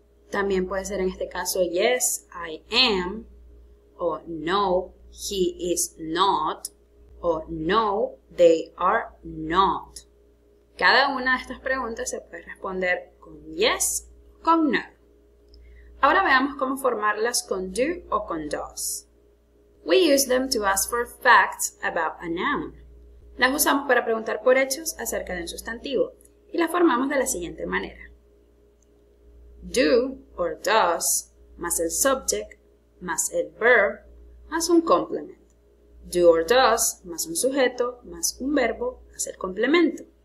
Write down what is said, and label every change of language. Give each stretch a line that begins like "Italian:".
Spanish: También puede ser en este caso,
English: yes, I am.
Spanish: O no,
English: he is not.
Spanish: O no,
English: they are not.
Spanish: Cada una de estas preguntas se puede responder con yes con no. Ahora veamos cómo formarlas con do o con does.
English: We use them to ask for facts about a noun.
Spanish: Las usamos para preguntar por hechos acerca de un sustantivo y las formamos de la siguiente manera.
English: Do or does
Spanish: más el subject más el verb más un complement. Do or does más un sujeto más un verbo más el complemento.